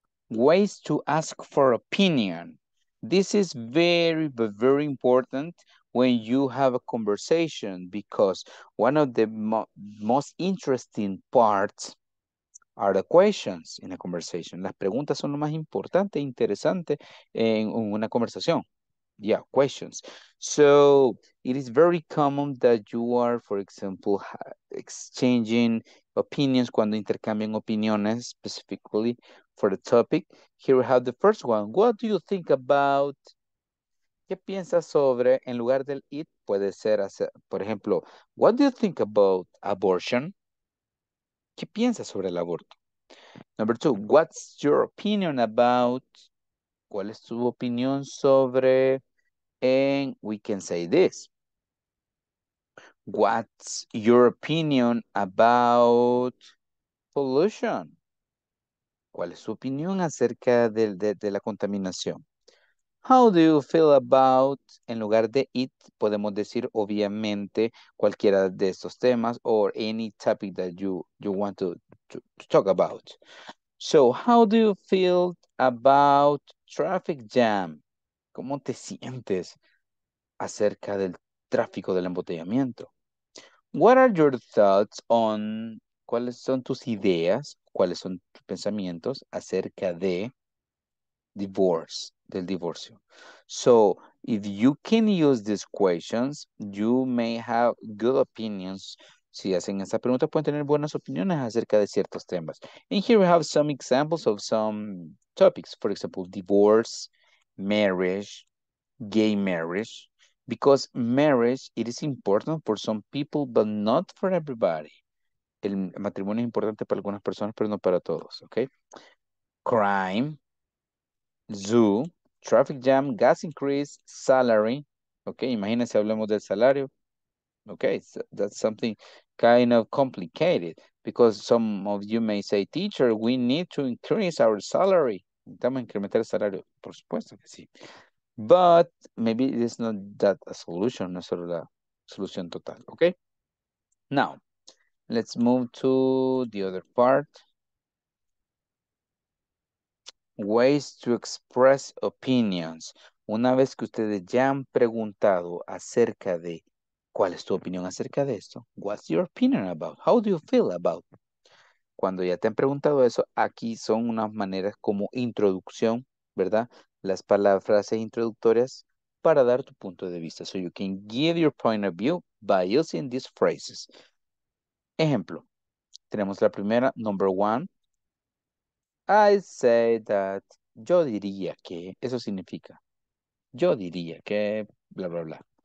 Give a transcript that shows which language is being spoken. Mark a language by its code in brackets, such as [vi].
[en] Ways to ask for opinion. This is very, very important when you have a conversation, because one of the most interesting parts are the questions in a conversation. [es] Las preguntas son lo más importante e interesante en una conversación. [en] Yeah, questions. So it is very common that you are, for example, exchanging opinions, [es] cuando intercambian opiniones [en] specifically for the topic. Here we have the first one. What do you think about... [es] ¿Qué piensas sobre, en lugar del [en] it, [es] puede ser, por ejemplo, [en] what do you think about abortion? [es] ¿Qué piensas sobre el aborto? [en] Number two, what's your opinion about, [es] ¿cuál es tu opinión sobre, [en] and we can say this, what's your opinion about pollution? [es] ¿Cuál es tu opinión acerca de la contaminación? [en] How do you feel about, [es] en lugar de it, podemos decir obviamente cualquiera de estos temas [en] or any topic that you want to talk about. So, how do you feel about traffic jam? [es] ¿Cómo te sientes acerca del tráfico del embotellamiento? [en] What are your thoughts on, [es] ¿cuáles son tus ideas, cuáles son tus pensamientos acerca de divorce? Del divorcio. [en] So, if you can use these questions, you may have good opinions. [es] Si hacen esa pregunta, pueden tener buenas opiniones acerca de ciertos temas. [en] And here we have some examples of some topics. For example, divorce, marriage, gay marriage. Because marriage, it is important for some people, but not for everybody. [es] El matrimonio es importante para algunas personas, pero no para todos. [en] Okay? Crime, zoo, traffic jam, gas increase, salary. [es] Okay, imagínense, hablemos del salario. [en] Okay, so that's something kind of complicated because some of you may say, teacher, we need to increase our salary. [es] Necesitamos incrementar el salario. Por supuesto que sí. [en] But maybe it's not that a solution, [es] no solo la solución total. [en] Okay, now let's move to the other part. Ways to express opinions. [es] Una vez que ustedes ya han preguntado acerca de cuál es tu opinión acerca de esto, [en] what's your opinion about? How do you feel about? [es] Cuando ya te han preguntado eso, aquí son unas maneras como introducción, ¿verdad? Las palabras, frases introductorias para dar tu punto de vista. [en] So you can give your point of view by using these phrases. [es] Ejemplo, tenemos la primera, [en] number one. I say that, [es] yo diría que, eso significa, yo diría que, bla, bla, bla.